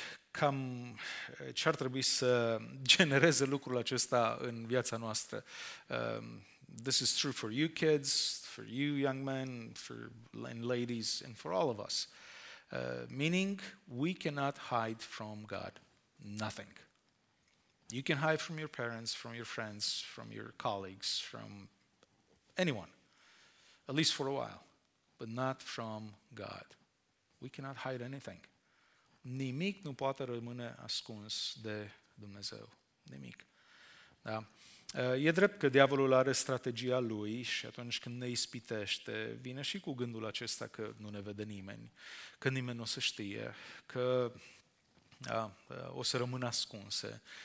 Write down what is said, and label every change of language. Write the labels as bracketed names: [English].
[Romanian] Cam ce ar trebui să genereze lucrul acesta în viața noastră. [English] This is true for you kids, for you young men, for and ladies, and for all of us. Meaning, we cannot hide from God. Nothing. You can hide from your parents, from your friends, from your colleagues, from anyone. At least for a while. But not from God. We cannot hide anything. [Romanian] Nimic nu poate rămâne ascuns de Dumnezeu. Nimic. Da? E drept că diavolul are strategia lui și atunci când ne ispitește, vine și cu gândul acesta că nu ne vede nimeni, că nimeni nu o să știe, că da, o să rămână ascunse.